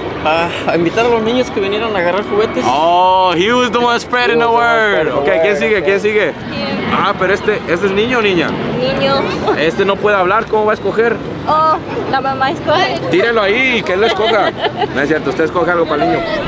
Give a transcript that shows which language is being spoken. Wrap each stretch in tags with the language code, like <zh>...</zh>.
<es>A invitar a los niños que vinieron a agarrar juguetes.</es> <en>Oh, he was the one spreading the word.</en> <es>Okay, ¿quién sigue? ¿Quién sigue? Yeah. Ah, pero este es niño o niña? Niño. Este no puede hablar, ¿cómo va a escoger? Oh, la mamá escoge. Tírelo ahí, que él lo escoja. No es cierto, usted escoge algo para el niño.</es>